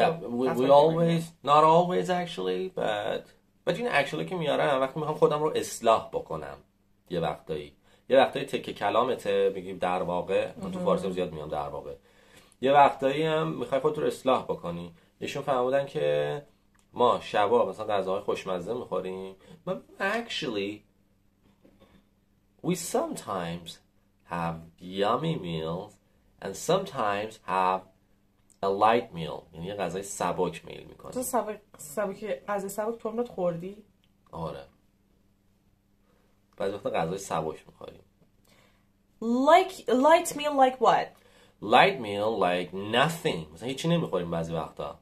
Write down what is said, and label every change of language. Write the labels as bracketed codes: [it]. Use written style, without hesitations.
[en] yeah, we always, not always actually, but you know, actually [fa] که میارم وقتی میخوام خودم رو اصلاح بکنم یه وقتایی. یه وقتایی تکه کلامته میگیم در واقع. من تو فارسی زیاد میام در واقع. یه وقتایی هم میخوای خودت رو اصلاح بکنی. ایشون فهمودن که ما شبا مثلا غذاهای خوشمزه میخوریم. [en] But actually, we sometimes have yummy meals and sometimes have a light meal. [fa] یعنی یه غذای سبک میل میکنی. تو غذای سبک تو امروز خوردی؟ آره. بعضی وقتا غذای سبک میخوری. [en] Like light meal like what? Light meal like nothing. [fa] مثلا هیچی نمیخوریم بعضی وقتا.